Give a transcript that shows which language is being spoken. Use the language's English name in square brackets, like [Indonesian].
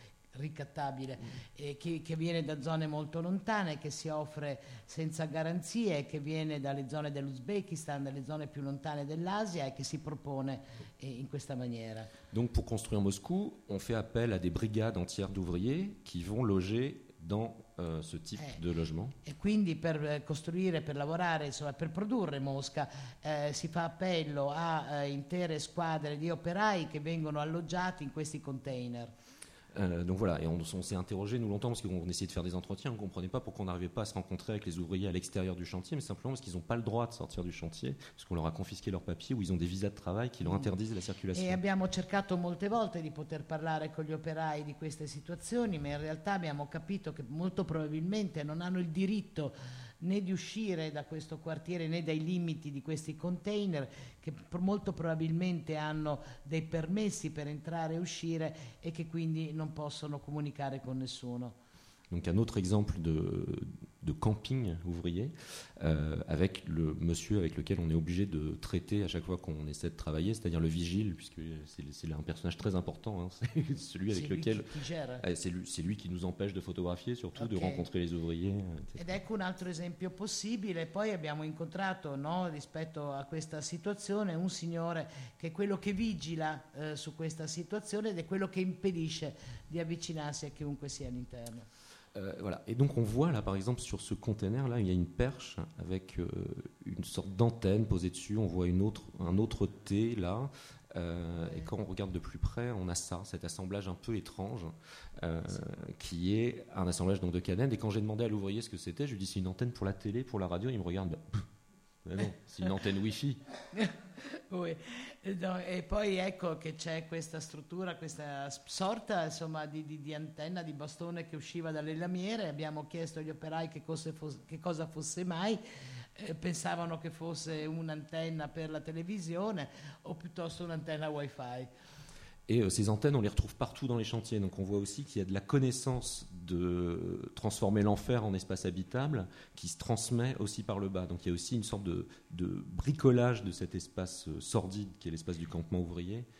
[Italian] Ricattabile che viene da zone molto lontane, che si offre senza garanzie, che viene dalle zone dell'Uzbekistan, dalle zone più lontane dell'Asia e che si propone in questa maniera. [French] Donc pour construire Moscou, on fait appel à des brigades entières d'ouvriers qui vont loger dans ce type de logement. [Italian] E quindi per costruire, per lavorare, insomma, per produrre Mosca, si fa appello a intere squadre di operai che vengono alloggiati in questi container. [French] Donc voilà, et on s'est interrogé nous longtemps parce qu'on essayait de faire des entretiens, on ne comprenait pas pourquoi on n'arrivait pas à se rencontrer avec les ouvriers à l'extérieur du chantier, mais simplement parce qu'ils n'ont pas le droit de sortir du chantier, parce qu'on leur a confisqué leurs papiers ou ils ont des visas de travail qui leur interdisent la circulation. [Italian] Et abbiamo cercato molte volte di poter parlare con gli operai di queste situazioni, ma in realtà abbiamo capito che molto probabilmente non hanno il diritto né di uscire da questo quartiere né dai limiti di questi container, che molto probabilmente hanno dei permessi per entrare e uscire e che quindi non possono comunicare con nessuno. [French] Donc un autre exemple de camping ouvrier avec le monsieur avec lequel on est obligé de traiter à chaque fois qu'on essaie de travailler, c'est-à-dire le vigile, puisque c'est un personnage très important, hein, c'est lui qui nous empêche de photographier, surtout okay. De rencontrer les ouvriers. Etc. [Italian] Ed ecco un altro esempio possibile, poi abbiamo incontrato, no, rispetto a questa situazione, un signore che è quello che vigila su questa situazione ed è quello che impedisce di avvicinarsi a chiunque sia all'interno. [French] Voilà. Et donc on voit là par exemple sur ce container là, il y a une perche avec une sorte d'antenne posée dessus, on voit un autre T là, et quand on regarde de plus près, on a ça, cet assemblage un peu étrange, qui est un assemblage donc de canettes, et quand j'ai demandé à l'ouvrier ce que c'était, je lui dis c'est une antenne pour la télé, pour la radio, il me regarde, mais non, c'est une antenne wifi. Oui. [Italian] E poi ecco che c'è questa struttura, questa sorta insomma di antenna, di bastone che usciva dalle lamiere. Abbiamo chiesto agli operai che cosa fosse mai, pensavano che fosse un'antenna per la televisione o piuttosto un'antenna wifi. [French] Et ces antennes, on les retrouve partout dans les chantiers. Donc on voit aussi qu'il y a de la connaissance de transformer l'enfer en espace habitable qui se transmet aussi par le bas. Donc il y a aussi une sorte de bricolage de cet espace sordide qui est l'espace du campement ouvrier.